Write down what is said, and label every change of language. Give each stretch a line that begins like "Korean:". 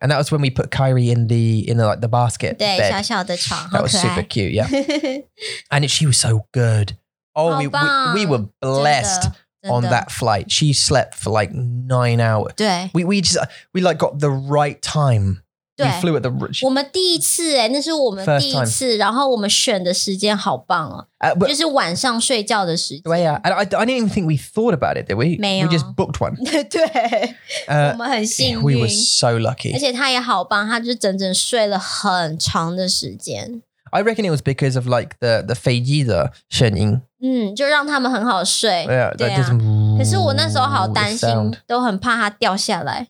English: And that was when we put Kyrie in the basket.
Chinese: 对小小的床
English: That was super cute, yeah. And she was so good. Oh, we were blessed on that flight. She slept for like 9 hours.
Chinese: 对
English: We just, we like got the right time. 对 flew at the
Chinese: 我们第一次耶、欸、那是我们第一次然后我们选的时间好棒哦、
English: but,
Chinese: 就是晚上睡觉的时间对呀、
English: yeah. I didn't even think we thought about it, did we?
Chinese: 没有
English: We just booked one
Chinese: 对、我们很幸运
English: We were so lucky
Chinese: 而且他也好棒他就整整睡了很长的时间
English: I reckon it was because of like the
Chinese: 飞机的声音。嗯，就让他们很好睡。
English: Yeah,
Chinese: 对啊。可是我那时候好担心，都很怕它掉下来。